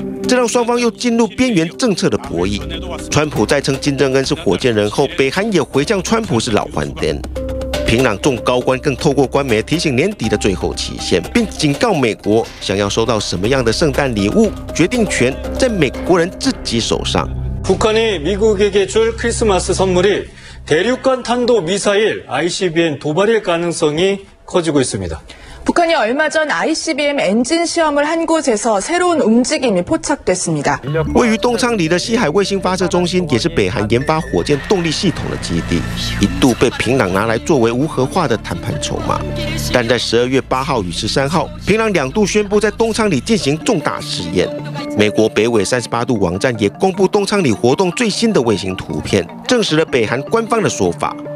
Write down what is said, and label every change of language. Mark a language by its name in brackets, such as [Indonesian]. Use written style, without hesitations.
[Chinese] 这让双方又进入边缘政策的博弈。川普在称金正恩是火箭人后，北韩也回向川普是老欢颠。平壤众高官更透过官媒提醒年底的最后期限，并警告美国想要收到什么样的圣诞礼物，决定权在美国人自 [Korean] 지 손상. 북한이 미국에게 줄 크리스마스 선물이 대륙간 탄도 미사일 ICBM 도발일 가능성이 커지고 있습니다. 북한이 얼마 전 ICBM 엔진 시험을 한 곳에서 새로운 움직임이 포착됐습니다. [Chinese] 位于东昌里的西海卫星发射中心也是北韩研发火箭动力系统的基地，一度被平壤拿来作为无核化的谈判筹码。但在12月8号与13号，平壤两度宣布在东昌里进行重大试验。美国北纬38度网站也公布东昌里活动最新的卫星图片，证实了北韩官方的说法。